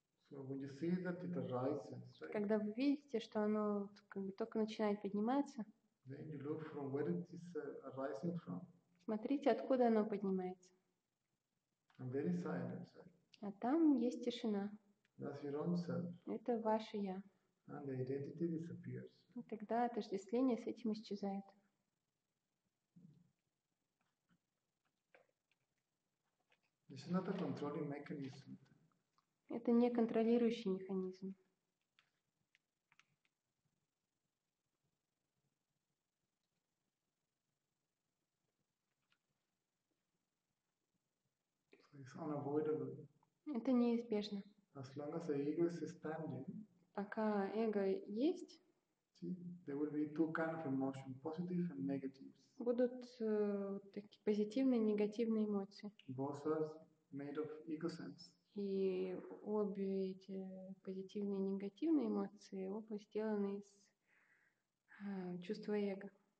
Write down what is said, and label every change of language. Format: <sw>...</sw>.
<en>So when you see that it arises, right?</en> <ru>Когда вы видите, что оно как бы только начинает подниматься,</ru> <en>Then you look from where it is arising from.</en> <ru>смотрите, откуда оно поднимается.</ru> <en>And there is silence.</en> <ru>А там есть тишина.</ru> <en>That's your own self.</en> <ru>Это ваше я.</ru> <en>And the identity disappears.</en> <ru>И тогда отождествление с этим исчезает.</ru> <en>This is not a controlling mechanism.</en> <ru>Это не контролирующий механизм.</ru> <en>It's unavoidable.</en> <ru>Это неизбежно.</ru> <en>As long as the ego is standing,</en> <ru>Пока эго есть,</ru> <en>see, there will be two kinds of emotion, positive and negatives.</en> <ru>будут такие позитивные и негативные эмоции.</ru> <en>Both are made of ego sense.</en> <ru>И обе эти позитивные и негативные эмоции оба сделаны из чувства эго.</ru>